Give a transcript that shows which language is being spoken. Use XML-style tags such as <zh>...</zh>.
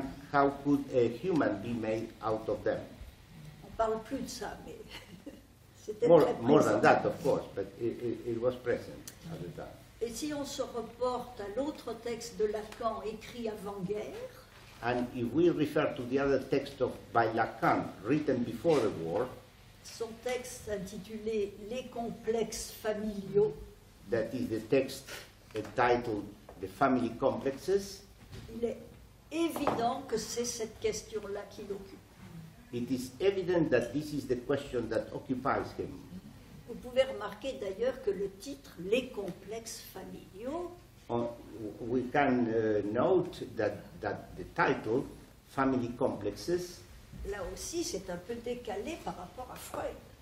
<en>How could a human be made out of them?</en> <fr>On parle plus de ça, mais c'était</fr> <en>more,</en> <fr>très présent.</fr> <en>More than that, of course, but it was present at the time.</en> <fr>Et si on se reporte à l'autre texte de Lacan écrit avant-guerre?</fr> <en>And if we refer to the other text of by Lacan written before the war.</en> <fr>Son texte intitulé Les complexes familiaux.</fr> <en>That is the text entitled The Family Complexes.</en> <fr>Il est évident que c'est cette question-là qui l'occupe.</fr> <en>It is evident that this is the question that occupies him.</en> <fr>Vous pouvez remarquer d'ailleurs que le titre Les complexes familiaux.</fr> <en>We can note that the title Family Complexes.</en> <fr>Là aussi, c'est un peu décalé par rapport à Freud.</fr>